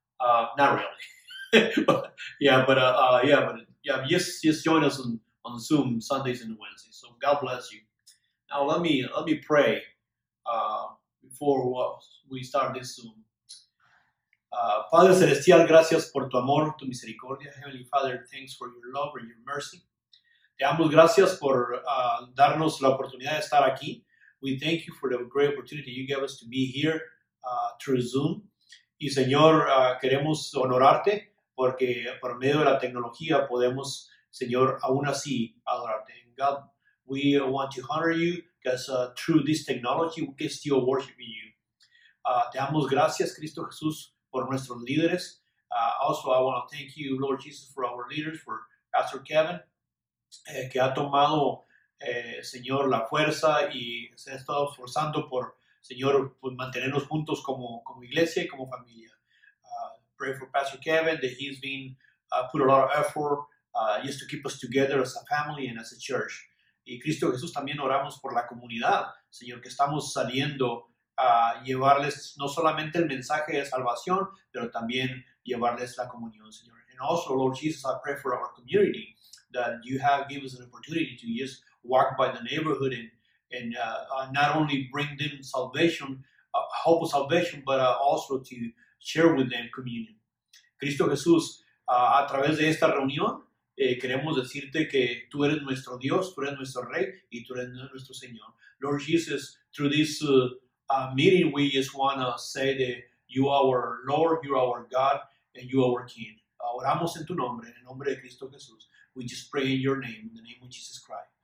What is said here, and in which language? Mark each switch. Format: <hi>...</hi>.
<en>Not really. just join us on Zoom Sundays and Wednesdays. So God bless you. Now let me pray before we start this Zoom.</en> <es>Padre Celestial, gracias por tu amor, tu misericordia.</es> <en>Heavenly Father, thanks for your love and your mercy.</en> <es>Te damos gracias por darnos la oportunidad de estar aquí.</es> <en>We thank you for the great opportunity you gave us to be here through Zoom.</en> <es>Y Señor, queremos honorarte porque por medio de la tecnología podemos, Señor, aún así adorarte.</es> <en>And God, we want to honor you because through this technology we can still worship you.</en> <es>Te damos gracias, Cristo Jesús, por nuestros líderes.</es> <en>Also, I want to thank you, Lord Jesus, for our leaders, for Pastor Kevin,</en> <es>que ha tomado, Señor, la fuerza y se ha estado esforzando por, Señor, por mantenernos juntos como iglesia y como familia.</es> <en>Pray for Pastor Kevin, that he's been put a lot of effort just to keep us together as a family and as a church.</en> <es>Y Cristo Jesús, también oramos por la comunidad, Señor, que estamos saliendo a llevarles no solamente el mensaje de salvación, pero también llevarles la comunión, Señor.</es> <en>And also, Lord Jesus, I pray for our community that you have given us an opportunity to just walk by the neighborhood and not only bring them salvation, hope of salvation, but also to share with them communion.</en> <es>Cristo Jesús, a través de esta reunión, queremos decirte que tú eres nuestro Dios, tú eres nuestro Rey y tú eres nuestro Señor.</es> <en>Lord Jesus, through this meeting, we just want to say that you are our Lord, you are our God, and you are our King.</en> <es>Oramos en tu nombre, en el nombre de Cristo Jesús.</es> <en>We just pray in your name, in the name of Jesus Christ.</en>